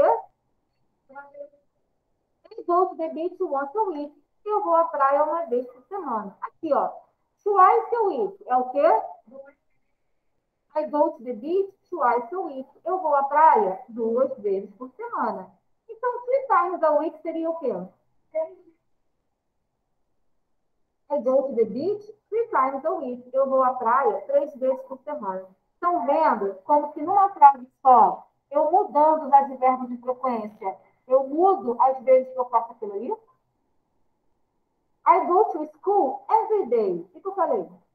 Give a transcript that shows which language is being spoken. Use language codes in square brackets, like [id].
[en] I go to the beach once a week. [pt] Eu vou à praia uma vez por semana. Aqui, ó. Twice a week, é o quê? [en] I go to the beach twice a week. [pt] Eu vou à praia duas vezes por semana. Então, three times a week seria o quê? [en] I go to the beach three times a week. [pt] Eu vou à praia três vezes por semana. Estão vendo como que numa frase só, eu mudando os advérbios de frequência, eu mudo as vezes que eu faço aquilo ali? [en] I go to school every day. [pt] O que eu falei?